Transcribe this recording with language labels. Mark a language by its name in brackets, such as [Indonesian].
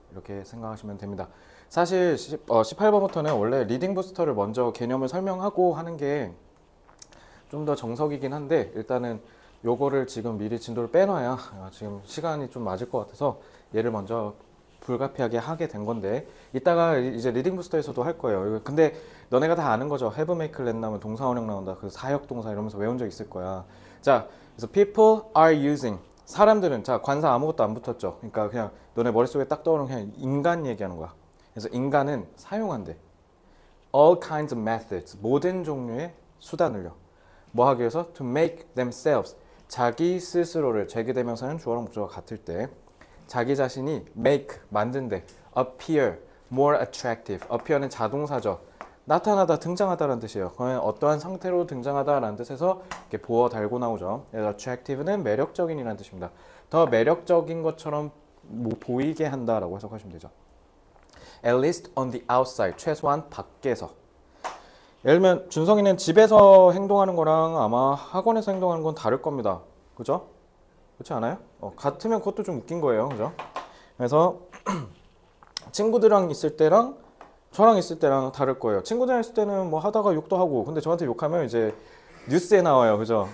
[Korean] 이렇게 생각하시면 됩니다. 사실 18번부터는 원래 리딩 부스터를 먼저 개념을 설명하고 하는 게좀더 정석이긴 한데, 일단은 요거를 지금 미리 진도를 빼놔야 지금 시간이 좀 맞을 것 같아서 얘를 먼저 불가피하게 하게 된 건데, 이따가 이제 리딩 부스터에서도 할 거예요. 근데 너네가 다 아는 거죠. 해브 메이크 랜 나면 동사 원형 나온다. 그 사역 동사 이러면서 외운 적 있을 거야. 자, 그래서 [English] people are using, [Korean] 사람들은, 자, 관사 아무것도 안 붙었죠. 그러니까 그냥 너네 머릿속에 딱 떠오르는 그냥 인간 얘기하는 거야. 그래서 인간은 사용한대. [English] All kinds of methods, [Korean] 모든 종류의 수단을요. 뭐 하기 위해서? [English] To make themselves, [Korean] 자기 스스로를, 재기대명사는 주어랑 목적어가 같을 때 자기 자신이 make, 만든대. [English] appear, more attractive. [Korean] appear는 자동사죠. 나타나다, 등장하다라는 뜻이에요. 그러면 어떠한 상태로 등장하다라는 뜻에서 이렇게 보어 달고 나오죠. 그래서 [English] attractive [Korean] 는 매력적인이라는 뜻입니다. 더 매력적인 것처럼 뭐 보이게 한다라고 해석하시면 되죠. [English] At least on the outside, [Korean] 최소한 밖에서. 예를 들면 준성이는 집에서 행동하는 거랑 아마 학원에서 행동하는 건 다를 겁니다. 그죠? 그렇지 않아요? 같으면 그것도 좀 웃긴 거예요. 그죠? 그래서 친구들이랑 있을 때랑 저랑 있을 때랑 다를 거예요. 친구들이랑 있을 때는 뭐 하다가 욕도 하고, 근데 저한테 욕하면 이제 뉴스에 나와요. 그죠?